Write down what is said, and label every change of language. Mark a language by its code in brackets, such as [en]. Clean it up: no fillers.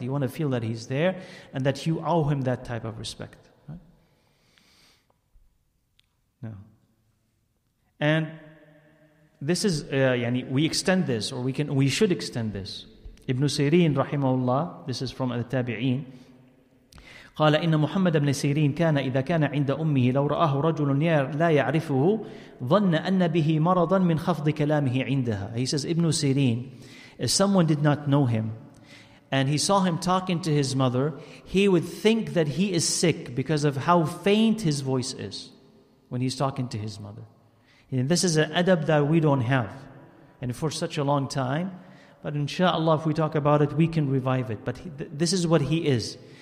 [en] You want to feel that he's there and that you owe him that type of respect. Right? No. And this is, we extend this, or we should extend this. Ibn Sirin, rahimahullah, this is from al-Tabi'een. [ar] قال إن محمد بن سيرين كان إذا كان عند أمه لو رآه رجل لا يعرفه ظن أن به مرضا من خفض كلامه عندها. [en] He says, Ibn Sirin, if someone did not know him and he saw him talking to his mother, he would think that he is sick because of how faint his voice is when he's talking to his mother. And this is an adab that we don't have, and for such a long time, but inshallah, if we talk about it, we can revive it. But this is what he is.